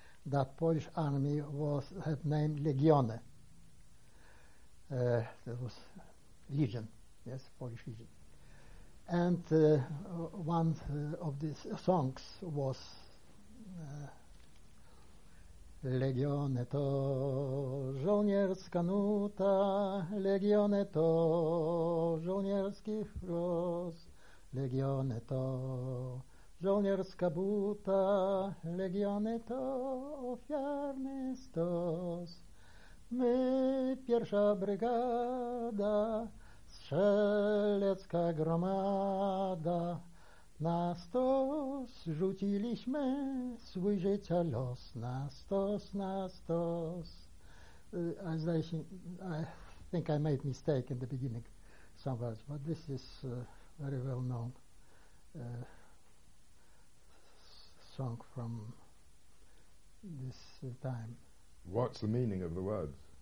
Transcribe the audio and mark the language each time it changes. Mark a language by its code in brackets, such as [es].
[en] That Polish army was had name Legione. That was Legion, yes, Polish Legion. And one of these songs was [pl] Legione to żołnierska nuta, Legione to żołnierski głos, Legione to żołnierska buta, Legione to ofiarny stos. My pierwsza brygada, strzelecka gromada, na stos rzuciliśmy swój życia los, na stos, na stos. [en] I think I made mistake in the beginning somewhere, but this is very well known song from this time. What's the meaning of the words?